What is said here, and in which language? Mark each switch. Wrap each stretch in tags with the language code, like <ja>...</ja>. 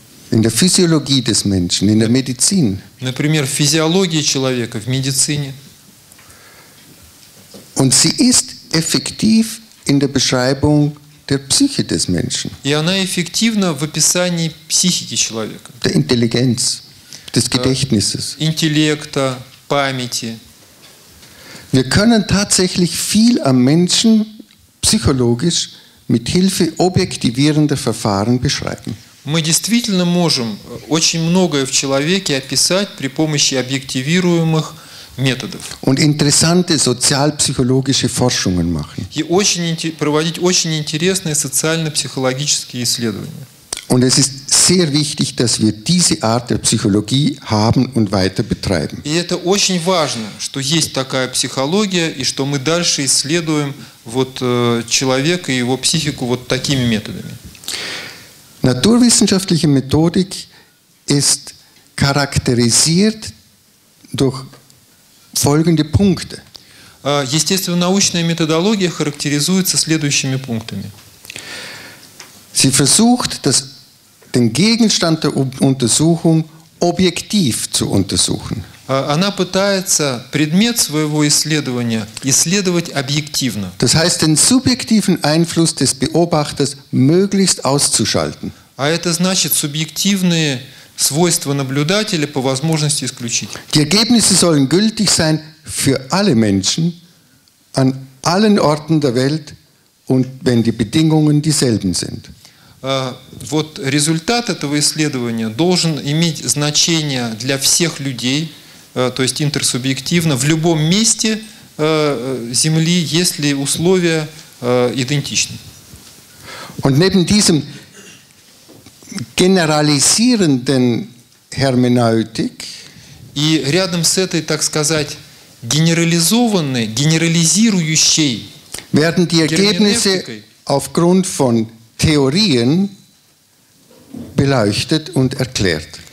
<de>In der Physiologie des Menschen, in der Medizin.</de> <ru>Например, в физиологии человека, в медицине.</ru> <de>Und sie ist effektiv in der Beschreibung der Psyche des Menschen.</de> <ru>И она эффективна в описании психики человека.</ru> <de>Der Intelligenz. des Gedächtnisses,</de> <ru>интеллекта, памяти.</ru> <de>Wir können tatsächlich viel am Menschen psychologisch mit Hilfe objektivierender Verfahren beschreiben.</de> <ru>Мы действительно можем очень многое в человеке описать при помощи объективируемых методов.</ru> <de>Und interessante sozialpsychologische Forschungen machen.</de> <ru>И проводить очень интересные социально-психологические исследования.</ru> <de>Und es ist sehr wichtig, dass wir diese Art der Psychologie haben und weiter betreiben.</de> <ru>И это очень важно, что есть такая психология и что мы дальше исследуем вот человека и его психику вот такими методами.</ru> <de>Naturwissenschaftliche Methodik ist charakterisiert durch folgende Punkte.</de> <ru>Естественно-научная методология характеризуется следующими пунктами.</ru> <de>Sie versucht, den Gegenstand der Untersuchung objektiv zu untersuchen.</de> <ru>Она пытается предмет своего исследования исследовать объективно.</ru> <de>Das heißt, den subjektiven Einfluss des Beobachters möglichst auszuschalten.</de> <ru>А это значит субъективные свойства наблюдателя по возможности исключить.</ru> <de>Die Ergebnisse sollen gültig sein für alle Menschen an allen Orten der Welt und wenn die Bedingungen dieselben sind.</de> <ru>Вот результат этого исследования должен иметь значение для всех людей, то есть интерсубъективно, в любом месте Земли, если условия идентичны.</ru> <de>Und neben diesem generalisierenden Hermeneutik,</de> <ru>и рядом с этой, так сказать, генерализованной, генерализирующей,</ru> <de>werden die Ergebnisse aufgrund von Theorien beleuchtet und erklärt.</de>